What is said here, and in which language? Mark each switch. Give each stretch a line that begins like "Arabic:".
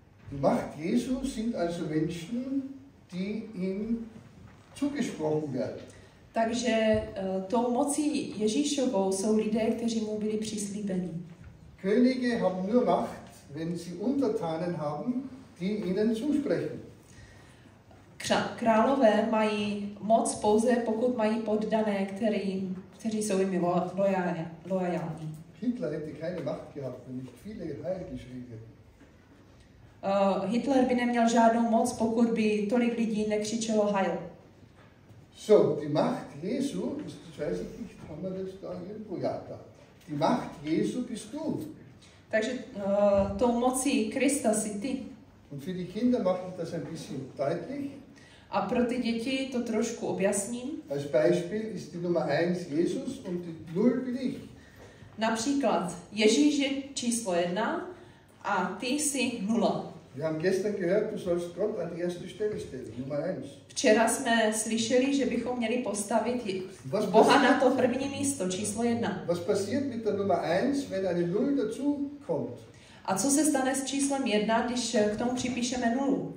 German: Die Macht Jesu sind also Menschen, die ihm zugesprochen werden.
Czech: Takže tou mocí Ježíšovou jsou lidé, kteří mu byli přislíbeni.
German: Könige haben nur Macht, wenn sie Untertanen haben, die ihnen zusprechen.
Czech: Králové mají moc pouze, pokud mají poddané, kteří jsou jim loajální.
German: Hitler hätte keine Macht gehabt, wenn nicht viele Heil geschrieben.
Czech: Hitler by neměl žádnou moc, pokud by tolik lidí nekřičelo Heil.
German: So, die Macht Jesu, das weiß ich nicht, haben wir das da irgendwo, ja, da. Die Macht Jesu bist du.
Czech: Takže tou mocí Krista jsi ty.
German: Und für die Kinder mache ich das ein bisschen deutlich.
Czech: A pro ty děti to trošku objasním.
German: Als Beispiel ist die Nummer 1 Jesus und die 0 bin ich.
Czech: Například Ježíš je číslo 1 a ty jsi 0.
German: Wir haben gestern gehört, du sollst Gott an die erste Stelle stellen, Nummer 1.
Czech: Včera jsme slyšeli, že bychom měli postavit Boha na to první místo, číslo 1.
German: Was passiert mit der Nummer 1, wenn eine 0 dazu kommt?
Czech: A co se stane s číslem 1, když k tomu připíšeme 0?